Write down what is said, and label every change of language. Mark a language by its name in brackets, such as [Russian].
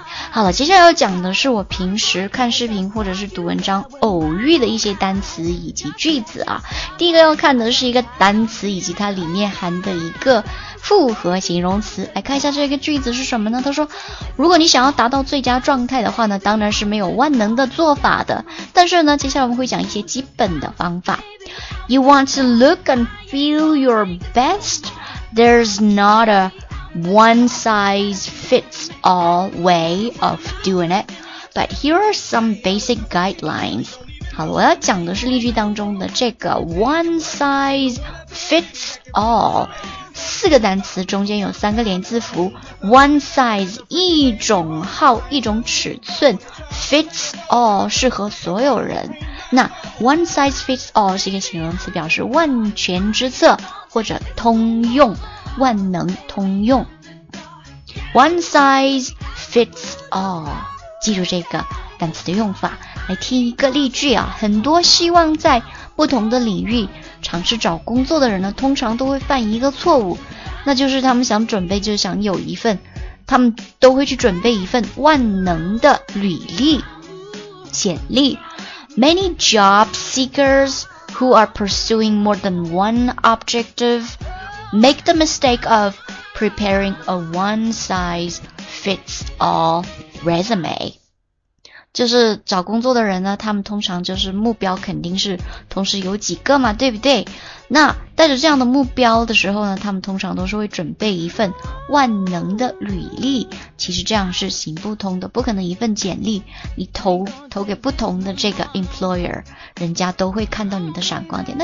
[Chinese] 好了，接下来要讲的是我平时看视频或者是读文章偶遇的一些单词以及句子啊。第一个要看的是一个单词以及它里面含的一个复合形容词。来看一下这个句子是什么呢？他说，如果你想要达到最佳状态的话呢，当然是没有万能的做法的。但是呢，接下来我们会讲一些基本的方法。 [English] You want to look and feel your best? There's not a one-size-fits-all way of doing it, but here are some basic guidelines. [Chinese] 好了，我要讲的是例句当中的这个 one-size-fits-all 四个单词中间有三个连字符 one size 一种号一种尺寸 fits all 适合所有人。那 one size fits all 是一个形容词，表示万全之策或者通用万能通用。 [English] One size fits all， [Chinese] 记住这个单词的用法。来听一个例句啊，很多希望在不同的领域尝试找工作的人呢，通常都会犯一个错误，那就是他们想准备就想有一份，他们都会去准备一份万能的履历简历。 [English] Many job seekers who are pursuing more than one objectiveMake the mistake of preparing a one-size-fits-all resume. [Chinese] 就是找工作的人呢，他们通常就是目标肯定是同时有几个嘛，对不对？那带着这样的目标的时候呢，他们通常都是会准备一份万能的履历。其实这样是行不通的，不可能一份简历你投给不同的这个 employer， 人家都会看到你的闪光点。